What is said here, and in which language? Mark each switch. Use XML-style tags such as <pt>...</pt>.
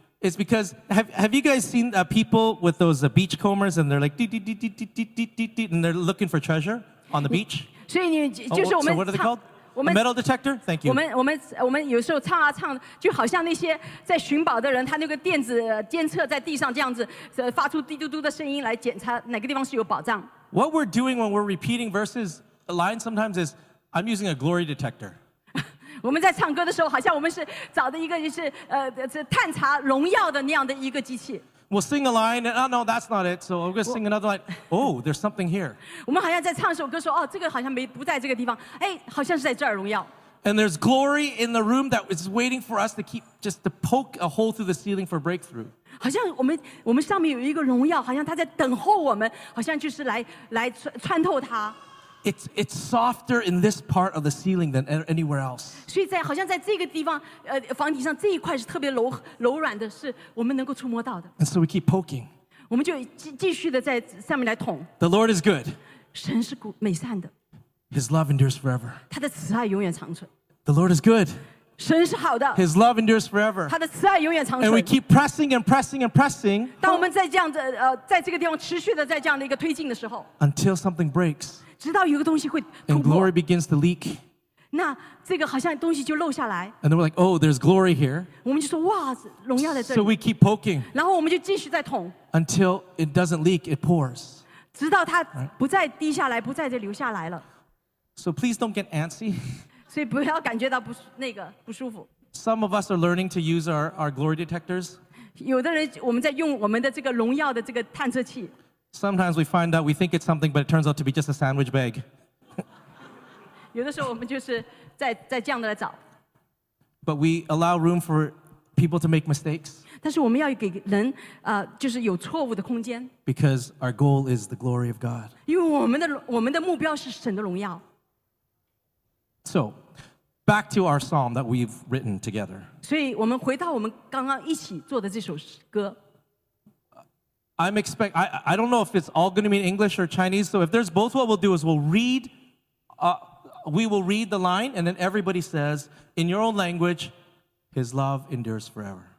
<en>It's because have you guys seen people with those beachcombers and they're like dee dee dee dee dee dee dee dee and they're looking for treasure on the beach?</en> <zh>所以你就是我们。</zh> <en>So what are they called? A metal detector? Thank you.</en> <zh>我们有时候唱啊唱，就好像那些在寻宝的人，他那个电子监测在地上这样子，发出滴嘟嘟的声音来检查哪个地方是有宝藏。</zh> <en>What we're doing when we're repeating verses, a line sometimes is, I'm using a glory detector.</en> <zh>我们在唱歌的时候，好像我们是找的一个就是探查荣耀的那样的一个机器。</zh> <en>We'll sing a line, and oh no, that's not it. So we'll sing another line. Oh, there's something here.</en> <zh>我们好像在唱一首歌，说哦，这个好像没不在这个地方。哎，好像是在这儿荣耀。</zh> <en>And there's glory in the room that is waiting for us to keep just to poke a hole through the ceiling for breakthrough.</en> <zh>好像我们上面有一个荣耀，好像他在等候我们，好像就是来穿透它。</zh> <en>It's softer in this part of the ceiling than anywhere else.</en> <zh>所以在好像在这个地方，房顶上这一块是特别柔软的，是我们能够触摸到的。</zh> <en>And so we keep poking.</en> <zh>我们就继续的在上面来捅。</zh> <en>The Lord is good.</en> <zh>神是美善的。</zh> <en>His love endures forever.</en> <zh>他的慈爱永远长存。</zh> <en>The Lord is good.</en> <zh>神是好的</zh> <en>His love endures forever.</en> <zh>他的慈爱永远长存</zh> <en>And we keep pressing and pressing and pressing.</en> <zh>当我们在这样子在这个地方持续的在这样的一个推进的时候</zh> <en>Until something breaks.</en> <zh>直到有个东西会突破</zh> <en>And glory begins to leak.</en> <zh>那这个好像东西就漏下来</zh> <en>And then we're like, oh, there's glory here.</en> <zh>我们就说哇，荣耀在这里</zh> <en>So we keep poking.</en> <zh>然后我们就继续在捅</zh> <en>Until it doesn't leak, it pours.</en> <zh>直到它不再滴下来，不再再流下来了</zh> <en>So please don't get antsy.</en> <zh>所以不要感觉到不那个不舒服。</zh> <en>Some of us are learning to use our glory detectors.</en> <zh>有的人我们在用我们的这个荣耀的这个探测器。</zh> <en>Sometimes we find out we think it's something, but it turns out to be just a sandwich bag.</en> <zh>有的时候我们就是在这样的来找。</zh> <en>But we allow room for people to make mistakes.</en> <zh>但是我们要给人就是有错误的空间。</zh> <en>Because our goal is the glory of God.</en> <zh>因为我们的目标是神的荣耀。</zh> <en>So, back to our psalm that we've written together.</en> <zh>所以我们回到我们刚刚一起做的这首歌。</zh> <en>I don't know if it's all going to be in English or Chinese. So if there's both, what we'll do is we will read the line, and then everybody says in your own language, "His love endures forever."</en>